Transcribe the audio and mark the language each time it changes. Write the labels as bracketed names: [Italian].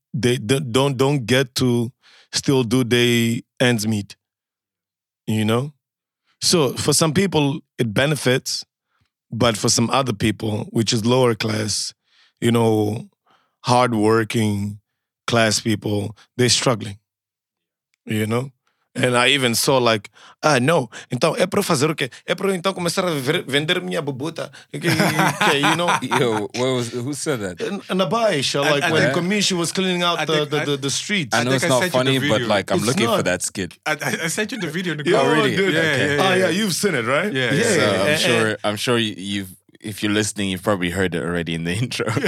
[English] They don't get to still do their ends meet, you know? So for some people, it benefits. But for some other people, which is lower class, you know, hardworking class people, they're struggling, you know? And I even saw like, no, [Portuguese] então é para fazer o quê? É para então começar a vender minha bubuta. [English] Okay, you know? Yo, who said that? In Abaixa, like when Comiche was cleaning out the streets. I know it's not funny, but like I'm looking for that skit. I sent you the video in the group. Oh, really? Dude. Yeah, okay. Yeah, you've seen it, right? Yeah. So I'm sure if you're listening, you've probably heard it already in the intro.